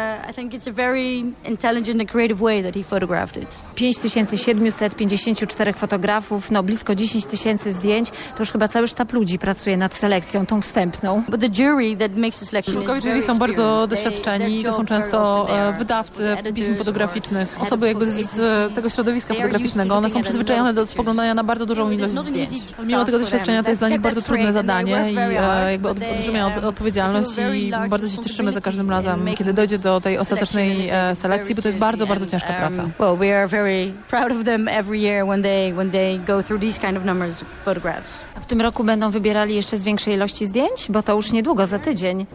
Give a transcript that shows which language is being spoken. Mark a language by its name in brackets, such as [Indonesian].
[English] I think it's a very intelligent and creative way that he photographed it. [Polish] 5754 fotografów, no blisko 10 tysięcy zdjęć. To już chyba cały sztab ludzi pracuje nad selekcją, tą wstępną. [English] But the jury that makes the selection is very [Polish] są bardzo doświadczeni. To są często wydawcy pism fotograficznych, osoby jakby z tego środowiska fotograficznego. One są przyzwyczajone do spoglądania na bardzo dużą ilość zdjęć. Mimo tego doświadczenia to jest dla nich bardzo trudne zadanie i jakby olbrzymia odpowiedzialność i bardzo się cieszymy za każdym razem, kiedy dojdzie do tej ostatecznej selekcji, bo to jest bardzo, bardzo ciężka praca. [English] Well, we are very proud of them every year when they go through these kind of numbers of photographs. [Polish] W tym roku będą wybierali jeszcze z większej ilości zdjęć, bo to już niedługo, za tydzień.